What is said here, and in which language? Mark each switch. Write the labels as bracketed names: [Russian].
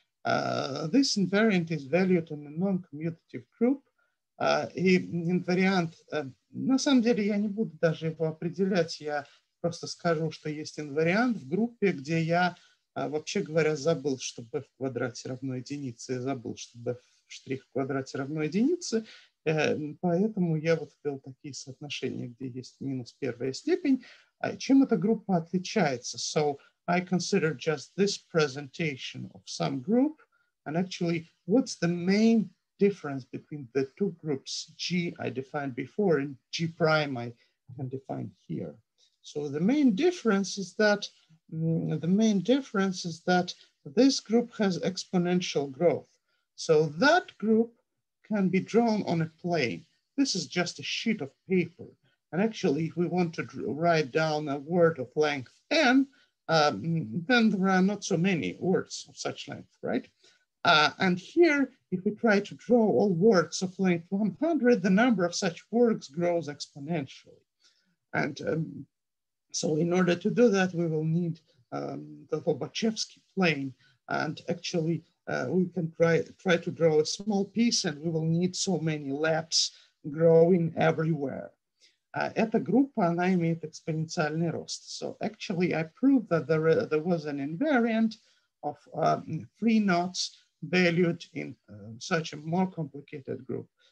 [English] This invariant is valued in a non-commutative group. [Russian] И invariant, на самом деле я не буду даже его определять, я просто скажу, что есть инвариант в группе, где я, вообще говоря, забыл, что b в квадрате равно единице, я забыл, что b в штрих в квадрате равно единице, поэтому я вот ввел такие соотношения, где есть минус первая степень. Чем эта группа отличается? [English] So I consider just this presentation of some group, and actually, what's the main difference between the two groups, g I defined before and g prime I can define here? So the main difference is that this group has exponential growth. So that group can be drawn on a plane. This is just a sheet of paper. And actually, if we want to write down a word of length n, then there are not so many words of such length, right? And here, if we try to draw all words of length 100, the number of such words grows exponentially. And so in order to do that, we will need the Lobachevsky plane. And actually, we can try to draw a small piece, and we will need so many laps growing everywhere. [Russian] Эта группа, она имеет экспоненциальный рост. [English] So actually, I proved that there was an invariant of free knots valued in such a more complicated group.